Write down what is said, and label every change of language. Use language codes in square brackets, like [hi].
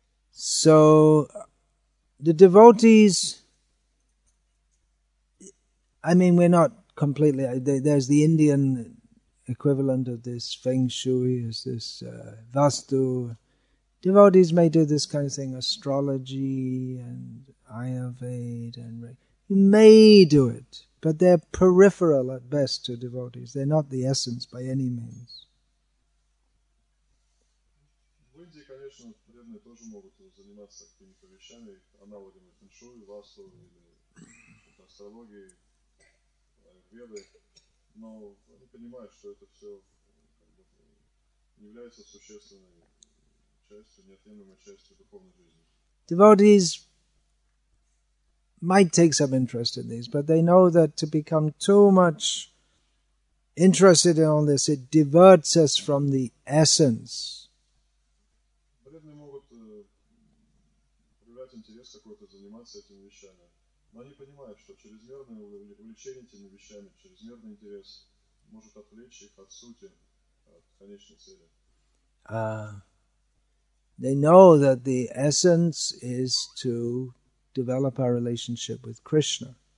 [en] So, the devotees, I mean, we're not completely, there's the Indian equivalent of this Feng Shui, is this Vastu. Devotees may do this kind of thing, astrology and Ayurveda. And you may do it, but they're peripheral at best to devotees. They're not the essence by any means. [ru] конечно, преданные тоже могут заниматься какими-то вещами, аналогами фэншуй, васту или астрологии, веды, но они понимают, что это все как бы, не является существенной частью, неотъемлемой частью духовной жизни. [en] Devotees might take some interest in these, but they know that to become too much interested in all this, it diverts us from the essence. [ru] Преданные могут проявлять интерес какой-то заниматься этими вещами, но они понимают, что чрезмерное увлечение этими вещами, чрезмерный интерес может отвлечь их от сути, от конечной цели. [en] They know that the essence is to develop our relationship with Krishna.